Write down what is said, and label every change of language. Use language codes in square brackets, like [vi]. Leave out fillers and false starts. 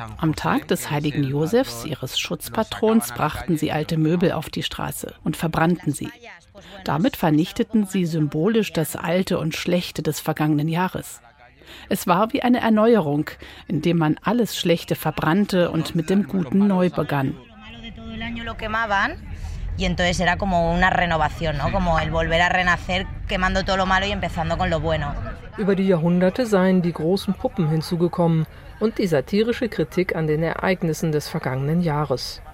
[de] Am Tag des heiligen Josefs, ihres Schutzpatrons, brachten sie alte Möbel auf die Straße und verbrannten sie. Damit vernichteten sie symbolisch das Alte und Schlechte des vergangenen Jahres. Es war wie eine Erneuerung, indem man alles Schlechte verbrannte und mit dem Guten neu begann. [es] Y entonces era como una renovación, ¿no? Como el volver a renacer quemando todo lo malo y empezando con lo bueno. [de] Über die Jahrhunderte seien die großen Puppen hinzugekommen und die satirische Kritik an den Ereignissen des vergangenen Jahres.